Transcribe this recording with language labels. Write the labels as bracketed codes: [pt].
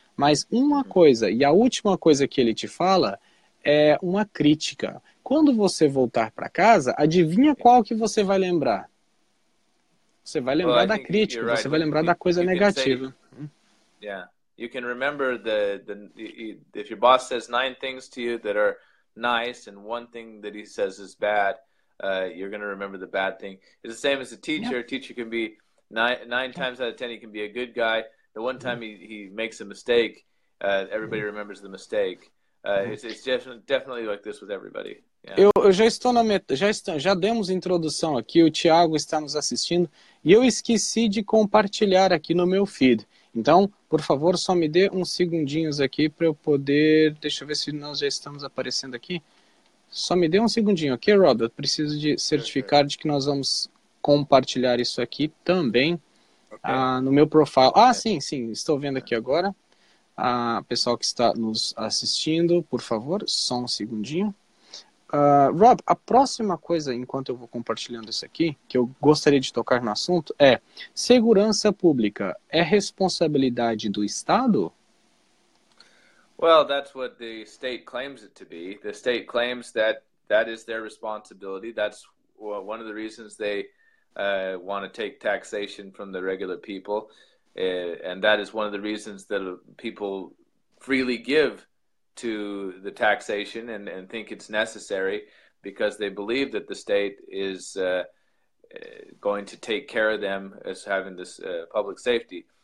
[pt] Mas uma coisa, e a última coisa que ele te fala, é uma crítica. Quando você voltar para casa, adivinha qual que você vai lembrar? Você vai lembrar da crítica, você vai lembrar da coisa negativa. [en] You can remember the if your boss says 9 things to you that are nice and one thing that he says is bad, you're going to remember the bad thing. It's the same as a teacher. Yeah. A teacher can be 9 times out of 10 he can be a good guy. The one time he makes a mistake, everybody remembers the mistake. It's definitely like this with everybody. [pt] Eu já estou na já demos introdução aqui, o Thiago está nos assistindo e eu esqueci de compartilhar aqui no meu feed. Então, por favor, só me dê uns segundinhos aqui para eu poder. Deixa eu ver se nós já estamos aparecendo aqui. Só me dê um segundinho, ok, Rob? Eu preciso de certificar de que nós vamos compartilhar isso aqui também no meu profile. Ah, sim, estou vendo aqui agora. Pessoal que está nos assistindo, por favor, só um segundinho. Rob, a próxima coisa, enquanto eu vou compartilhando isso aqui, que eu gostaria de tocar no assunto, é segurança pública é responsabilidade do Estado? [en] Well, that's what the state claims it to be. The state claims that is their responsibility. That's one of the reasons they want to take taxation from the regular people. And that is one of the reasons that people freely give to the taxation and think it's necessary because they believe that the state is going to take care of them as having this public safety.